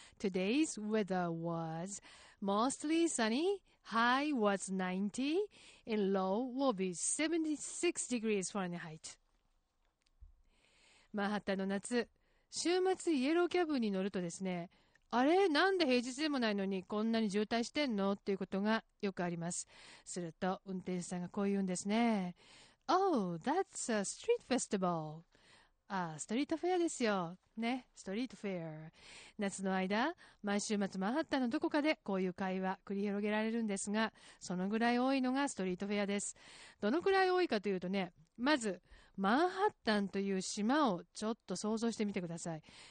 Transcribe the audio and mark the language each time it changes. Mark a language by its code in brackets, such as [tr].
[en] Today's weather was mostly sunny, high was 90, and low will be 76 degrees Fahrenheit. [ja] マンハッタンの夏、週末イエローキャブに乗るとですね、あれ、なんで平日でもないのにこんなに渋滞してんのっていうことがよくあります。すると運転手さんがこう言うんですね。 [en] Oh, that's a street festival. [ja] ああ、ストリートフェアですよ。ね、ストリートフェア。夏の間、毎週末マンハッタンのどこかでこういう会話繰り広げられるんですが、そのぐらい多いのがストリートフェアです。どのくらい多いかというとね、まず、マンハッタンという島をちょっと想像してみてください。